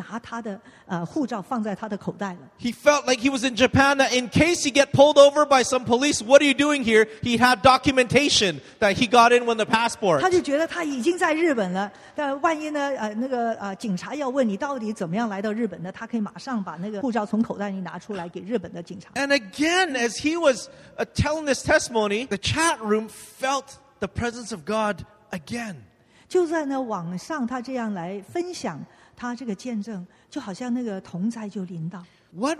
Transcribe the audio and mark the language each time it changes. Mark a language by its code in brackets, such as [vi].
[zh] 他呢有如此的信心，他好像呢已经到了那个现场那个会场，他甚至呢就是拿他的护照放在他的口袋了。 [en] He felt like he was in Japan. That in case he get pulled over by some police, what are you doing here? He had documentation that he got in with the passport. [zh] 他就觉得他已经在日本了，但万一呢，警察要问你到底怎么样来到日本的，他可以马上把那个护照从口袋里拿出来给日本的警察。 [en] And again, as he was telling this testimony, the chat room felt the presence of God again. [zh] 就在呢网上他这样来分享他这个见证，就好像那个同在就临到。 [en] What